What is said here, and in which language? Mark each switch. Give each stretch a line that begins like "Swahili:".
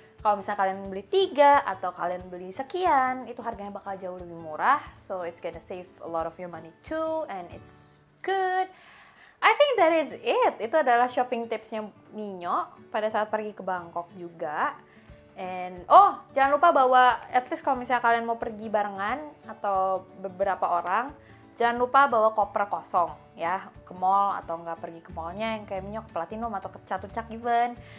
Indonesian: Kalau misalnya kalian beli 3 atau kalian beli sekian, itu harganya bakal jauh lebih murah.
English: So it's gonna save a lot of your money too, and it's good. I think that is it.
Indonesian: Itu adalah shopping tipsnya Minyo pada saat pergi ke Bangkok juga. And oh, jangan lupa bawa, at least kalau misalnya kalian mau pergi barengan atau beberapa orang, jangan lupa bawa koper kosong ya, ke mall atau nggak pergi ke mallnya yang kayak Minyo ke Platinum atau ke Catucak even.